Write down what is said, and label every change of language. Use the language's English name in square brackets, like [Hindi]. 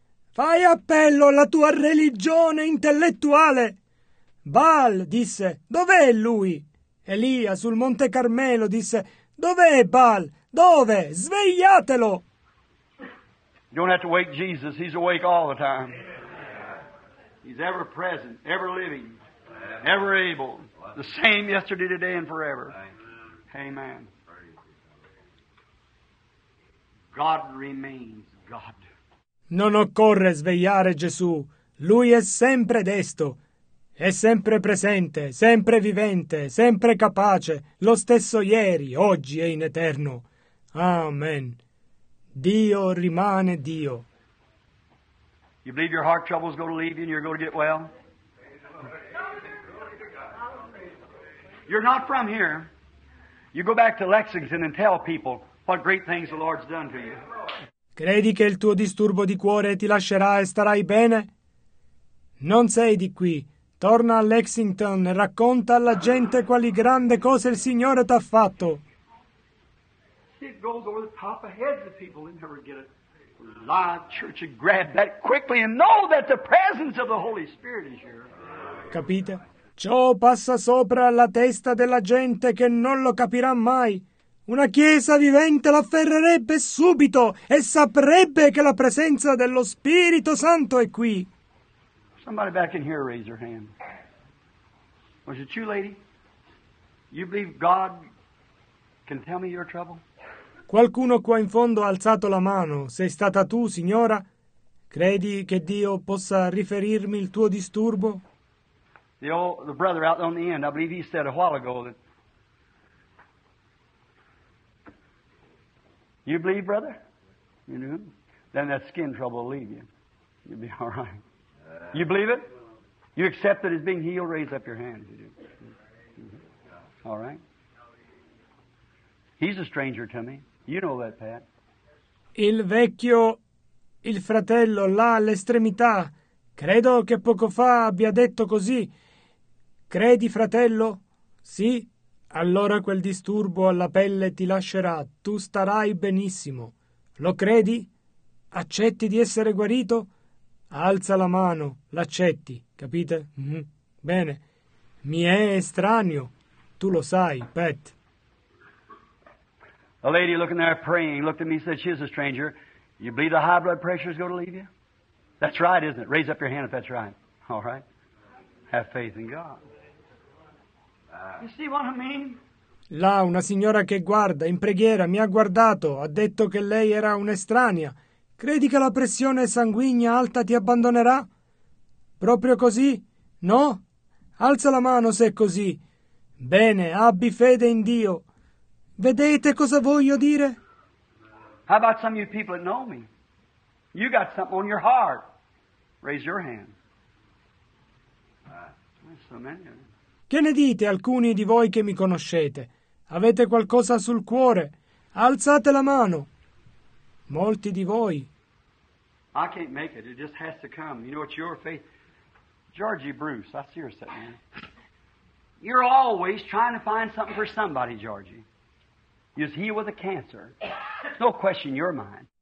[Italian] Fai appello alla tua religione intellettuale. Baal disse, dov'è lui? Elia sul Monte Carmelo disse, dov'è Baal? Dove? Svegliatelo! [English] You don't have to wake Jesus, he's awake all the time. He's ever present, ever living, ever able. The same yesterday, today, and forever. Amen. God remains God. [Italian] Non occorre svegliare Gesù. Lui è sempre desto. È sempre presente, sempre vivente, sempre capace. Lo stesso ieri, oggi e in eterno. Amen. Dio rimane Dio. [English] You believe your heart trouble is going to leave you and you're going to get well? You're not from here. You go back to Lexington and tell people what great things the Lord's done to you. [Italian] Credi che il tuo disturbo di cuore ti lascerà e starai bene? Non sei di qui. Torna a Lexington e racconta alla gente quali grandi cose il Signore t'ha fatto. [English] It goes over the top of heads of people and never get a live church and grab that quickly and know that the presence of the Holy Spirit is here. [Italian] Capite? Ciò passa sopra la testa della gente che non lo capirà mai. Una chiesa vivente lo afferrerebbe subito e saprebbe che la presenza dello Spirito Santo è qui. [English] Somebody back in here raise your hand. Was it you, lady? You believe God can tell me your trouble? [Italian] Qualcuno qua in fondo ha alzato la mano. Sei stata tu, signora? Credi che Dio possa riferirmi il tuo disturbo? [English] The brother out on the end, I believe he said a while ago that... You believe, brother? You do? Then that skin trouble will leave you. You'll be all right. You believe it? You accept that it's being healed? Raise up your hand. You do. Mm-hmm. All right. He's a stranger to me. You know that, Pat. [Italian] Il vecchio, il fratello là all'estremità, credo che poco fa abbia detto così. Credi, fratello? Sì, allora quel disturbo alla pelle ti lascerà, tu starai benissimo. Lo credi? Accetti di essere guarito? Alza la mano, l'accetti, capite? Mm-hmm. Bene, mi è estraneo, tu lo sai, Pat. [English] A lady looking there praying looked at me and said, she's a stranger. You believe the high blood pressure is going to leave you? That's right, isn't it? Raise up your hand if that's right. All right. Have faith in God. You see what I mean? [Italian] Là, una signora che guarda, in preghiera, mi ha guardato, ha detto che lei era un'estranea. Credi che la pressione sanguigna alta ti abbandonerà? Proprio così? No? Alza la mano se è così. Bene, abbi fede in Dio. Vedete cosa voglio dire? [English] How about some of you people that know me? You got something on your heart. Raise your hand. So many of you. [Italian] Che ne dite alcuni di voi che mi conoscete? Avete qualcosa sul cuore? Alzate la mano. Molti di voi. [English] I can't make it. It just has to come. You know what your faith... Georgie Bruce, I see her sitting there. You're always trying to find something for somebody, Georgie. Is he with a cancer? No question in your mind.